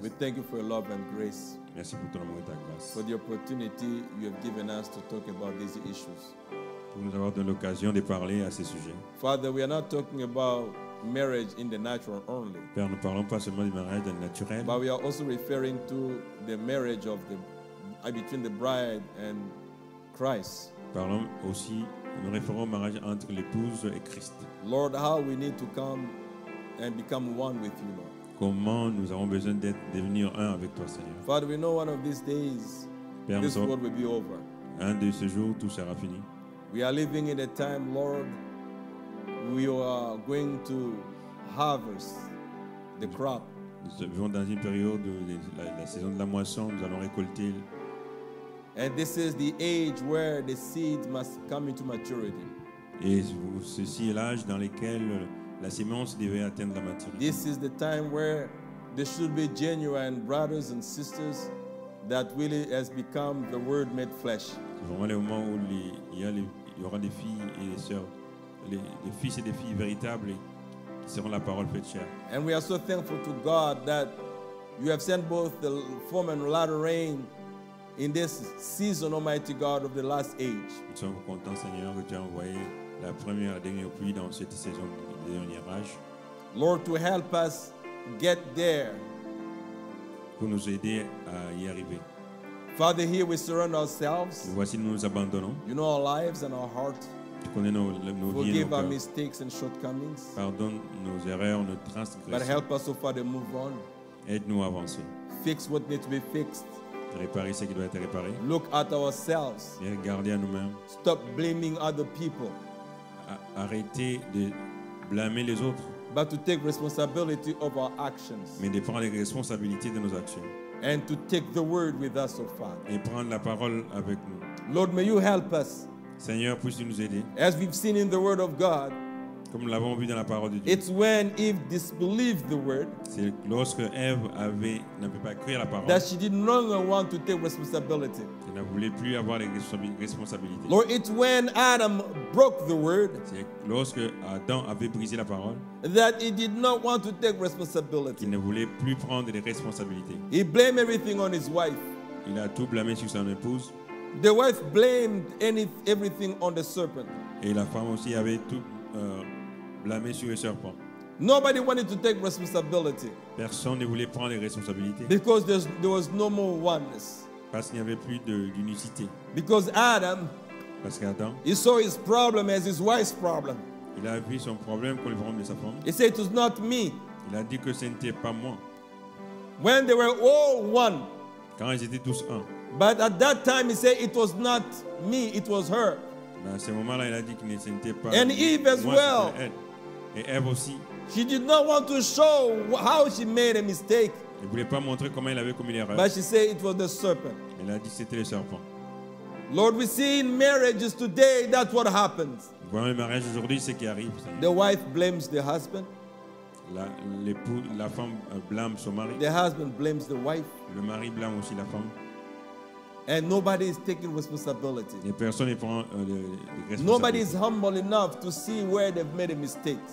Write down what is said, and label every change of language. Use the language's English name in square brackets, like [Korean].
[English] we thank you for your love and grace. [French] Merci pour ton amour et ta grâce. [English] For the opportunity you have given us to talk about these issues. [French] Pour nous avoir donné l'occasion de parler à ces sujets. [English] Father, we are not talking about marriage in the natural only. [French] Père, nous parlons pas seulement du mariage dans le naturel. [English] But we are also referring to the marriage of the between the bride and Christ. [French] Parlons aussi, nous référons au mariage entre l'épouse et Christ. [English] Lord, how we need to come and become one with you, Lord. [French] Comment nous avons besoin d'être devenir un avec toi, Seigneur. [English] Father, we know one of these days, [French] Père, [English] this world will be over. [French] Un de ces jours, tout sera fini. [English] We are living in a time, Lord, we are going to harvest the crop. [French] Nous vivons dans une période de la saison de la moisson. Nous allons récolter. [English] And this is the age where the seed must come into maturity. [French] Et ceci est l'âge dans lequel la semence devait atteindre la maturité. [English] This is the time where there should be genuine brothers and sisters that really has become the Word made flesh. [French] C'est vraiment le moment où il y aura des filles et des sœurs, les fils et des filles véritables qui seront la parole faite chair. [English] And we are so thankful to God that you have sent both the former and latter rain in this season, Almighty God, of the last age. [French] Nous sommes contents, Seigneur, que tu as envoyé la première et dernière pluie dans cette saison de l'orage. [English] Lord, to help us get there. [French] Pour nous aider à y arriver. [English] Father, here we surrender ourselves. [French] Et voici, nous abandonnons. [English] You know our lives and our hearts. [French] Tu connais nos vies, [English] forgive [French] nos [English] our mistakes and shortcomings. [French] Pardonne nos erreurs, nos transgressions. [English] But help us, oh Father, move on. [French] Aide-nous à avancer. [English] Fix what needs to be fixed. [French] Réparer ce qui doit être réparé. [English] Look at ourselves. [French] Et regardez à nous-mêmes. [English] Stop blaming other people. [French] Arrêtez de blâmer les autres. [English] But to take responsibility of our actions. [French] Mais de prendre les responsabilités de nos actions. [English] And to take the word with us, oh Father. [French] Et prendre la parole avec nous. [English] Lord, may you help us. [French] Seigneur, puisses-tu nous aider. [English] As we've seen in the word of God. [French] Comme l'avons vu dans la parole de Dieu. [English] It's when Eve disbelieved the word. [French] C'est lorsque Ève avait n'avait pas cru la parole. [English] That she did no longer want to take responsibility. [French] Elle ne voulait plus avoir les responsabilités. [English] Lord, it's when Adam broke the word. [French] C'est lorsque Adam avait brisé la parole. [English] That he did not want to take responsibility. [French] Il ne voulait plus prendre les responsabilités. [English] He blamed everything on his wife. [French] Il a tout blâmé sur son épouse. [English] The wife blamed everything on the serpent. [French] Et la femme aussi avait tout. Blâmé sur le serpent. [English] Nobody wanted to take responsibility. [French] Personne ne voulait prendre les responsabilités. [English] Because there was no more oneness. [French] Parce qu'il n'y avait plus d'unicité. [English] Because Adam. [French] Parce qu'Adam. [English] He saw his problem as his wife's problem. [French] Il a vu son problème comme le problème de sa femme. [English] He said it was not me. [French] Il a dit que ce n'était pas moi. [English] When they were all one. [French] Quand ils étaient tous un. [English] But at that time he said it was not me, it was her. [French] À ce moment-là, il a dit qu'il ne sentait pas. [English] And Eve as well. [French] Et Eve aussi. [English] She did not want to show how she made a mistake. [French] Elle voulait pas montrer comment elle avait commis l'erreur. [English] But she said it was the serpent. [French] Elle a dit que c'était le serpent. [English] Lord, we see in marriages today that what happens. [French] Voyons les mariages aujourd'hui, c'est ce qui arrive. [English] The wife blames the husband. [French] La femme blâme son mari. [English] The husband blames the wife. [French] Le mari blâme aussi la femme. [English] And nobody is taking responsibility. [French] Et personne ne prend les responsabilités. [English] Nobody is humble enough to see where they've made a mistake.